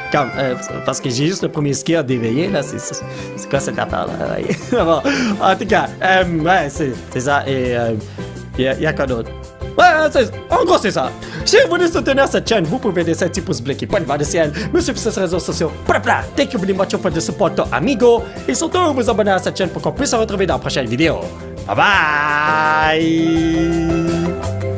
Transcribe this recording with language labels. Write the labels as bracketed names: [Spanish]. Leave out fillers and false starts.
[French] Comme, parce que j'ai juste le premier skill d'éveiller, là. C'est quoi cette affaire-là? Bon, en tout cas, ouais, c'est ça. Et y a quoi d'autre? Ouais, en gros, c'est ça. Si vous voulez soutenir cette chaîne, vous pouvez laisser un petit pouce bleu qui pointe vers le ciel, me suivre sur ces réseaux sociaux. Blablabla. [English] Thank you very much for the support, amigo. [French] Et surtout, vous abonner à cette chaîne pour qu'on puisse se retrouver dans la prochaine vidéo. Bye bye!